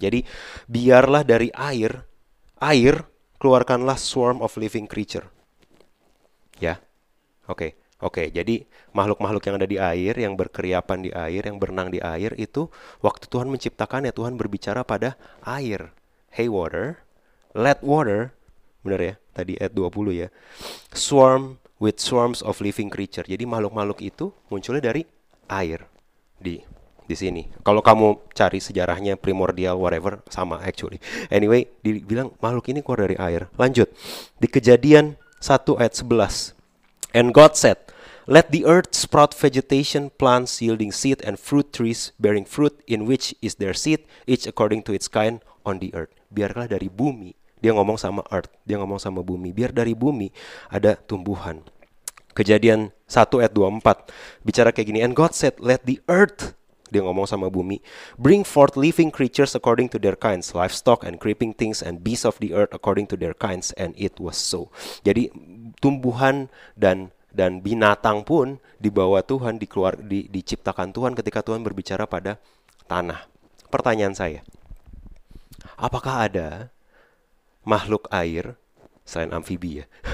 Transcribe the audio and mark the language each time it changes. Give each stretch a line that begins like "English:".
Indonesian: Jadi biarlah dari air keluarkanlah
English: swarm of living creature.
Indonesian: Ya. Oke. Jadi makhluk-makhluk yang ada di air, yang berkeriapan di air, yang berenang di air itu waktu Tuhan menciptakannya Tuhan berbicara pada air.
English: Hey water, let water,
Indonesian: benar ya? Tadi ayat 20 ya.
English: Swarm with swarms of living creature.
Indonesian: Jadi makhluk-makhluk itu munculnya dari air di sini. Kalau kamu cari sejarahnya primordial whatever sama actually. Anyway, dibilang makhluk ini keluar dari air. Lanjut. Di Kejadian 1 ayat 11.
English: And God said, let the earth sprout vegetation, plants yielding seed and fruit trees bearing fruit in which is their seed, each according to its kind on the earth.
Indonesian: Biarlah dari bumi, dia ngomong sama earth, dia ngomong sama bumi, biar dari bumi ada tumbuhan. Kejadian 1 ayat 24 bicara kayak gini,
English: and God said, let the earth,
Indonesian: dia ngomong sama bumi,
English: bring forth living creatures according to their kinds, livestock and creeping things and beasts of the earth according to their kinds, and it was so.
Indonesian: Jadi tumbuhan dan binatang pun dibawa Tuhan, diciptakan Tuhan ketika Tuhan berbicara pada tanah. Pertanyaan saya, apakah ada makhluk air selain amfibi ya?